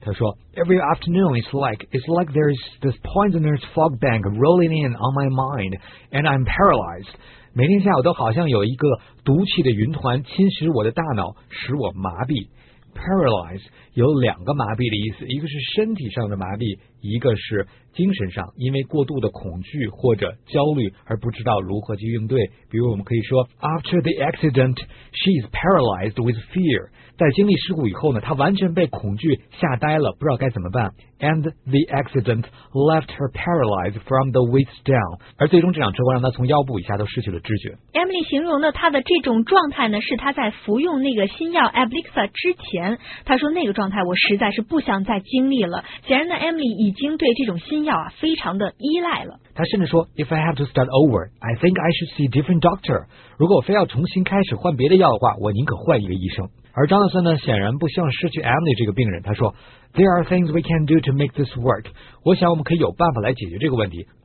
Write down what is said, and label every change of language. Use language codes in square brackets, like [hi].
[zh] 她说 [en] ：“Every afternoon it's like there is this poisonous fog bank rolling in on my mind, and I'm paralyzed.” [zh] 每天下午都好像有一个毒气的云团侵蚀我的大脑，使我麻痹。 Paralyze 有两个麻痹的意思，一个是身体上的麻痹，一个是精神上，因为过度的恐惧或者焦虑而不知道如何去应对。比如我们可以说 [en] ，After the accident, she is paralyzed with fear. [zh] 在经历事故以后呢，她完全被恐惧吓呆了，不知道该怎么办。 [en] And the accident left her paralyzed from the waist down. [zh] 而最终这辆车祸让她从腰部以下都失去了知觉。 Emily 形容的她的这种状态呢，是她在服用那个新药 Ablixa 之前，她说那个状态我实在是不想再经历了。显然呢 ，Emily 已经对这种新药啊非常的依赖了。他甚至说 [en] If I have to start over, I think I should see a different doctor. [zh] 如果我非要重新开始换别的药的话，我宁可换一个医生。而 Jonathan 呢，显然不希望失去 Emily 这个病人。他说 [en] There are things we can do to make this work. [zh] 我想我们可以有办法来解决这个问题。